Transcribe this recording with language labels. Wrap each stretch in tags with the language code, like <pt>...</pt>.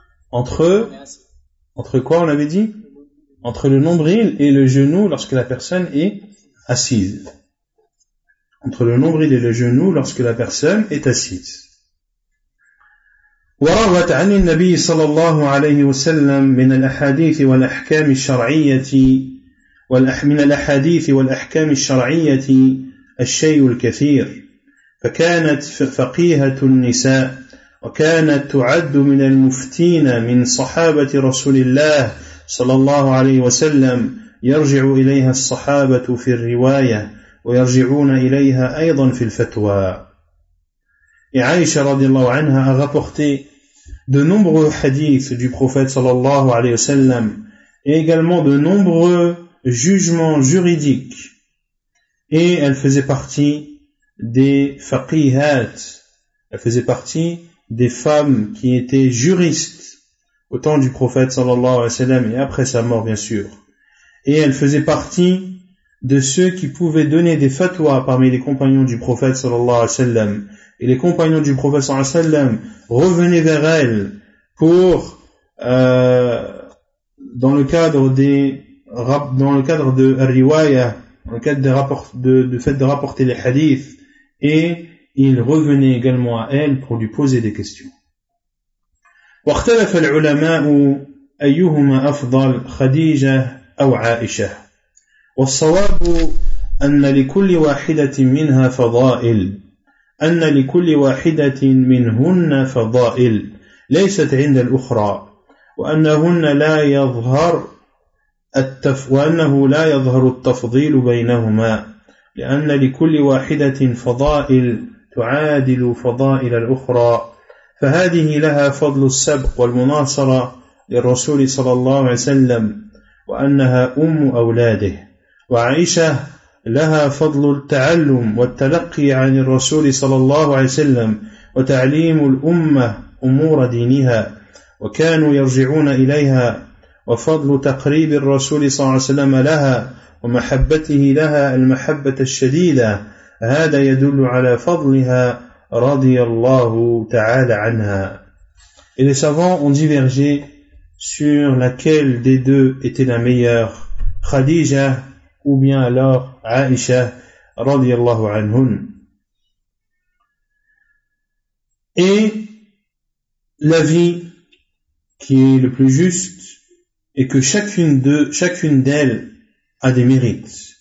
<fr>Entre quoi on avait dit? Entre le nombril et le genou lorsque la personne est assise. Entre le nombril et le genou lorsque la personne est assise.</fr> <ar>وروت عن النبي صلى الله عليه وسلم من الأحاديث والأحكام الشرعية من الأحاديث والأحكام الشرعية الشيء الكثير فكانت فقيهة النساء وكانت تعد من المفتين من صحابة رسول الله صلى الله عليه وسلم يرجع إليها الصحابة في الرواية ويرجعون إليها أيضا في الفتوى.</ar> <fr>عائشة رضي الله عنها rapporté de nombreux hadiths du prophète sallallahu alayhi wa sallam et également de nombreux jugements juridiques, et elle faisait partie des faqihat, elle faisait partie des femmes qui étaient juristes au temps du prophète sallallahu alayhi wa sallam et après sa mort bien sûr, et elle faisait partie de ceux qui pouvaient donner des fatwas parmi les compagnons du prophète sallallahu alayhi wa sallam. Et les compagnons du prophète sallallahu alayhi wa sallam revenaient vers elle pour dans le cadre de rapporter les hadiths, et ils revenaient également à elle pour lui poser des questions.</fr> <ar>واختلف العلماء أيهما أفضل خديجة أو عائشة والصواب أن لكل واحدة منها فضائل أن لكل واحدة منهن فضائل ليست عند الأخرى وأنه لا يظهر التفضيل بينهما لأن لكل واحدة فضائل تعادل فضائل الأخرى فهذه لها فضل السبق والمناصرة للرسول صلى الله عليه وسلم وأنها أم أولاده وعائشة لها فضل التعلم والتلقي عن الرسول صلى الله عليه وسلم وتعليم الأمة أمور دينها وكانوا يرجعون إليها وفضل تقريب الرسول صلى الله عليه وسلم لها ومحبته لها المحبة الشديدة هذا يدل على فضلها رضي الله تعالى عنها.</ar> <fr>Et les savants ont divergé sur laquelle des deux était la meilleure, Khadija ou bien alors Aïcha radiyallahu anhun. Et l'avis qui est le plus juste est que chacune d'elles a des mérites.</fr>